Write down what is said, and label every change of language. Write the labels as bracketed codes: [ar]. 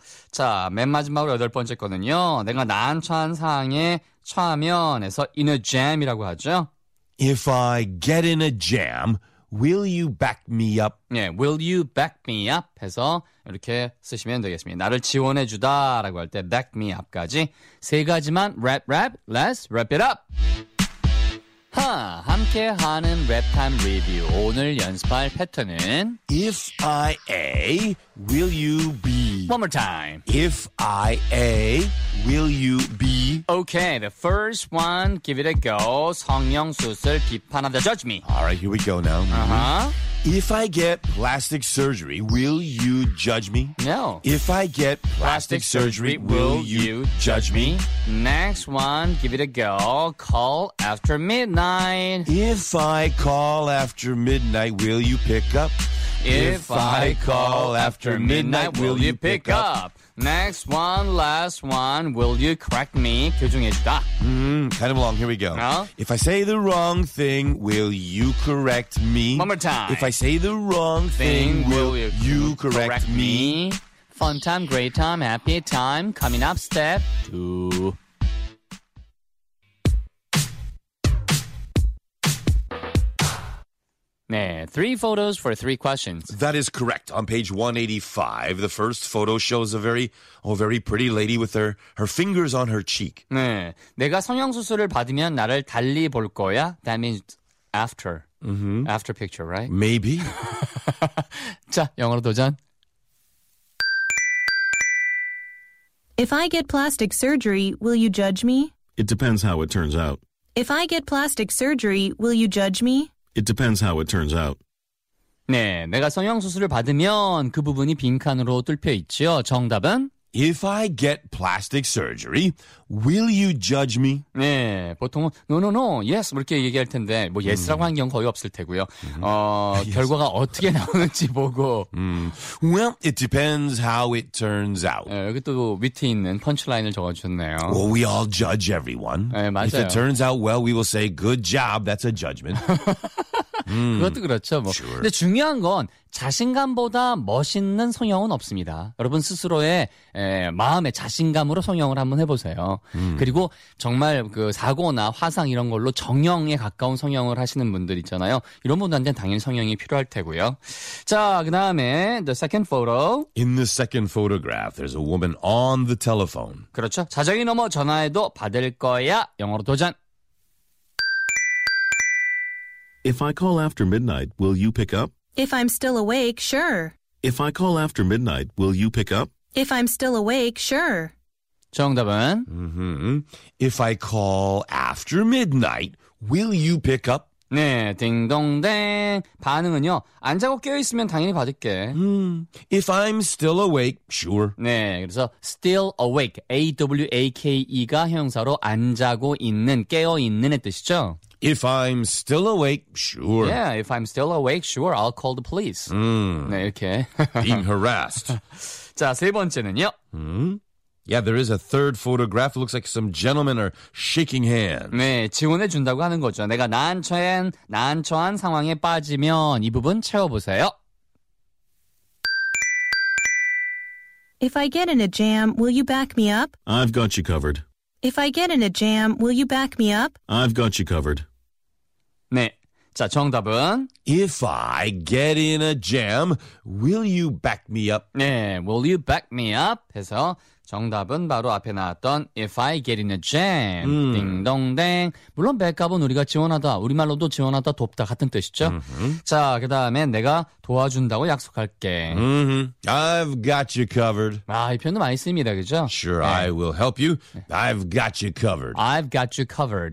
[ko] 자, 맨 마지막으로 여덟 번째 거는요. 내가 난처한 상황에 처하면 해서 [en] in a jam [ko] 이라고 하죠. [en] If I get in a jam, will you back me up? [ko] 네, [en] will you back me up [ko] 해서 이렇게 쓰시면 되겠습니다. 나를 지원해 주다라고 할 때 [en] back me up까지 [ko] 세 가지만 [en] rap rap, let's wrap it up. [ko] 함께하는 랩타임 리뷰. 오늘 연습할 패턴은 [en] If I A, will you be? One more time. If I A, will you be? Okay, the first one, give it a go. [ko] 성형수술 비판하다, [en] judge me. All right, here we go now. Uh-huh. If I get plastic surgery, will you judge me? No. If I get plastic surgery, will you judge me? Next one, give it a go. Call after midnight. If I call after midnight, will you pick up? If I call after midnight, will you pick up? Next one, last one, will you correct me? [ko] 교정해주다. [en] Kind of long, here we go. No? If I say the wrong thing, will you correct me? One more time. If I say the wrong thing, will you correct me? Fun time, great time, happy time, coming up step two. Nah, three photos for three questions. That is correct. On page 185, the first photo shows a very pretty lady with her fingers on her cheek. [ko] 네, 내가 성형수술을 받으면 나를 달리 볼 거야. [en] That means after. Mm-hmm. After picture, right? Maybe. [ko] 자, 영어로 도전. [en] If I get plastic surgery, will you judge me? It depends how it turns out. If I get plastic surgery, will you judge me? It depends how it turns out. [ko] 네, 내가 성형수술을 받으면 그 부분이 빈칸으로 뚫려 있죠. 정답은? [en] If I get plastic surgery, will you judge me? [ko] 네, 보통은 [en] no, no, no, yes [ko] 이렇게 얘기할 텐데 뭐 yes라고 한 경우 거의 없을 테고요. [en] Yes. [ko] 결과가 어떻게 나오는지 보고 [en] Well, it depends how it turns out. [ko] 네, 여기 또 밑에 있는 펀치라인을 적어주셨네요. [en] Well, we all judge everyone. [ko] 네, 맞아요. [en] If it turns out well, we will say good job, that's a judgment. [ko] 그것도 그렇죠. 뭐. Sure. 근데 중요한 건 자신감보다 멋있는 성형은 없습니다. 여러분 스스로의 마음의 자신감으로 성형을 한번 해보세요. 그리고 정말 그 사고나 화상 이런 걸로 정형에 가까운 성형을 하시는 분들 있잖아요. 이런 분들한테는 당연히 성형이 필요할 테고요. 자, 그 다음에 [en] the second photo. In the second photograph, there's a woman on the telephone. [ko] 그렇죠. 자정이 넘어 전화해도 받을 거야. 영어로 도전. [en] If I call after midnight, will you pick up? If I'm still awake, sure. If I call after midnight, will you pick up? If I'm still awake, sure. [ko] 정답은? Mm-hmm. [en] If I call after midnight, will you pick up? [ko] 네, 딩동댕. 반응은요. 안 자고 깨어있으면 당연히 받을게. [en] If I'm still awake, sure. [ko] 네, 그래서 still awake. A-W-A-K-E가 형용사로 안 자고 있는, 깨어있는의 뜻이죠. [en] If I'm still awake, sure. Yeah, if I'm still awake, sure, I'll call the police. [ko] 네, 이렇게. [en] Being harassed. [ko] 자, 세 번째는요. [en] Yeah, there is a third photograph. Looks like some gentlemen are shaking hands. [ko] 네, 지원해 준다고 하는 거죠. 내가 난처한 상황에 빠지면 이 부분 채워보세요. [en] If I get in a jam, will you back me up? I've got you covered. If I get in a jam, will you back me up? I've got you covered. [ko] 네, 자, 정답은? [en] If I get in a jam, will you back me up? 네, will you back me up? [ko] 해서 정답은 바로 앞에 나왔던 If I get in a jam. 딩동댕. 물론 백업은 우리가 지원하다, 우리말로도 지원하다, 돕다 같은 뜻이죠. 자, 그 다음에 내가 도와준다고 약속할게. [en] I've got you covered. [ko] 아, 이 표현도 많이 씁니다. 그죠? [en] Sure, 네. I will help you. I've got you covered. I've got you covered.